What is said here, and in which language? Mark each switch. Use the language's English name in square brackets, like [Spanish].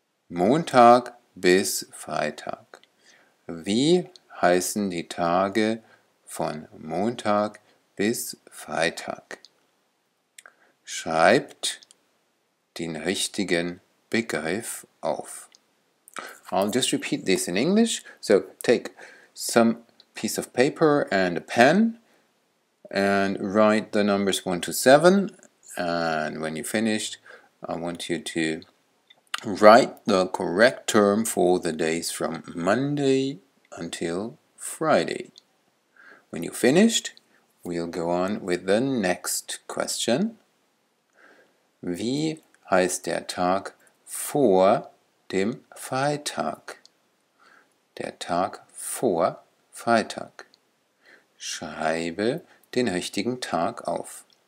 [German] Montag bis Freitag. Wie heißen die Tage von Montag bis Freitag? Schreibt den richtigen Begriff auf. [English] I'll just repeat this in English. So take some piece of paper and a pen and write the numbers 1 to 7. And when you're finished, I want you to write the correct term for the days from Monday until Friday. When you're finished, we'll go on with the next question. [German] Wie heißt der Tag vor dem Freitag? Der Tag vor Freitag. Schreibe den richtigen Tag auf.